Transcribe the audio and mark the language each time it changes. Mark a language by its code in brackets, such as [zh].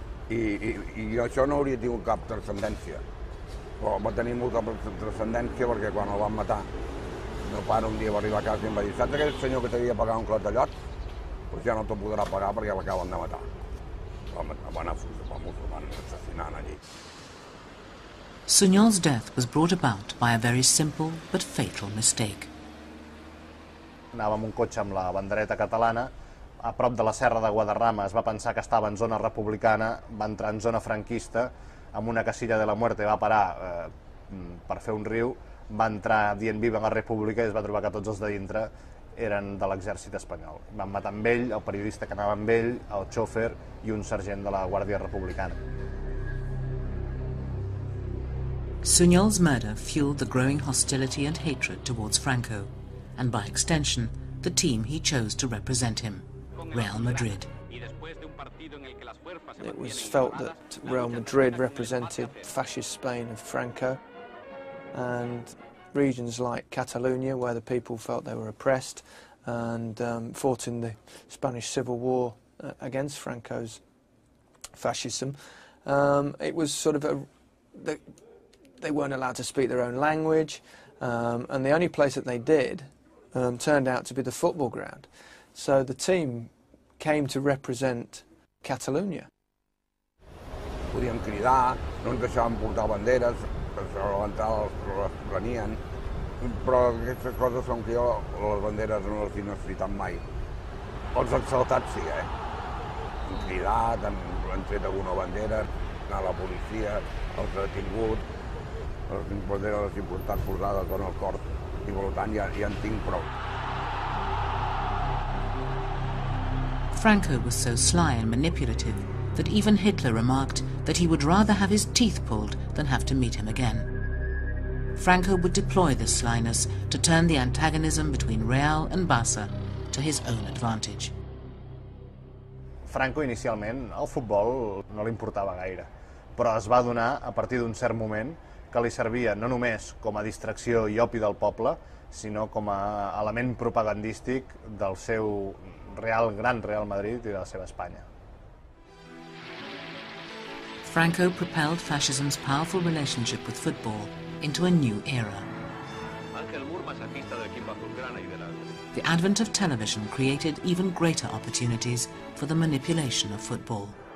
[ca] I això no hauria tingut cap transcendència. Però va tenir molta transcendència perquè quan el van matar, el meu pare un dia va arribar a casa i em va dir, saps aquest senyor que t'havia pagat un clatallot? Doncs ja no t'ho podrà pagar perquè l'acaben de matar. Van assassinant allí. [en] Sunyol's death was brought about by a very simple but fatal mistake. [ca] Anava amb un cotxe amb la bandereta catalana, a prop de la serra de Guadarrama es va pensar que estava en zona republicana, va entrar en zona franquista, amb [es] una casilla de la muerte [ca] va parar per fer un riu, va entrar dient viva la república i es va trobar que tots els de dintre eren de l'exèrcit espanyol. Van matar amb ell, el periodista que anava amb ell, el xòfer i un sergent de la Guàrdia Republicana. [en] Sunyol's murder fueled the growing hostility and hatred towards Franco, and by extension, the team he chose to represent him. Real Madrid. It was felt that Real Madrid represented fascist Spain of Franco, and regions like Catalonia, where the people felt they were oppressed and fought in the Spanish Civil War against Franco's fascism. It was sort of they weren't allowed to speak their own language, and the only place that they did turned out to be the football ground. So the team came to represent Catalonia. [ca] Podíem cridar, no ens deixaven portar banderes, però l'entrada els prenien. Però aquestes coses són que jo les banderes no les he necessitat mai. Els exaltats sí, eh? Han cridat, han tret alguna bandera, a la policia, els han detingut, les banderes les he portat posades en el cor i, per tant, ja, ja en tinc prou. [en] Franco was so sly and manipulative that even Hitler remarked that he would rather have his teeth pulled than have to meet him again. Franco would deploy this slyness to turn the antagonism between Real and Barça to his own advantage. [ca] Franco, inicialment, el futbol no li importava gaire, però es va adonar, a partir d'un cert moment, que li servia no només com a distracció i opi del poble, sinó com a element propagandístic del seu real, gran Real Madrid i de la seva Espanya. [en] Franco propelled fascism's powerful relationship with football into a new era. The advent of television created even greater opportunities for the manipulation of football.